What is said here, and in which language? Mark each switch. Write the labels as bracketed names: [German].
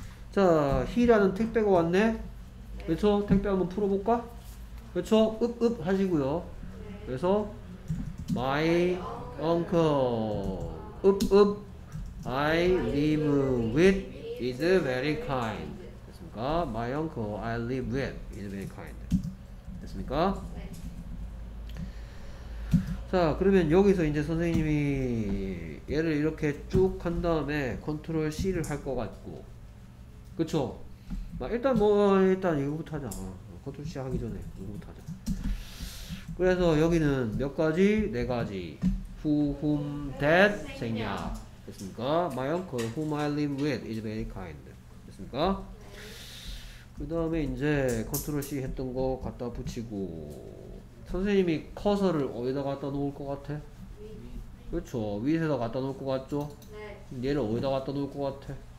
[Korean] 자, he라는 택배가 왔네. 네. 그렇죠? 택배 한번 풀어볼까? 그렇죠? 읍읍 하시고요. 그래서 [English] my uncle 읍읍 I live with is very kind. [Korean] 됐습니까? [English] my uncle I live with is very kind. [Korean] 됐습니까? 자, 그러면 여기서 이제 선생님이 얘를 이렇게 쭉 한 다음에 컨트롤 C를 할 것 같고 그쵸? 일단 뭐 일단 이거부터 하자. 컨트롤 C 하기 전에 이거부터 하자. 그래서 여기는 몇 가지? 네 가지. Who, whom, that, 생략. 됐습니까? [English] My uncle, whom I live with is very kind. [Korean] 됐습니까? 그 다음에 이제 컨트롤 C 했던 거 갖다 붙이고 선생님이 커서를 어디다 갖다 놓을 것 같아? 위. 그렇죠. 위에다 갖다 놓을 것 같죠? 네. 얘를 어디다 갖다 놓을 것 같아?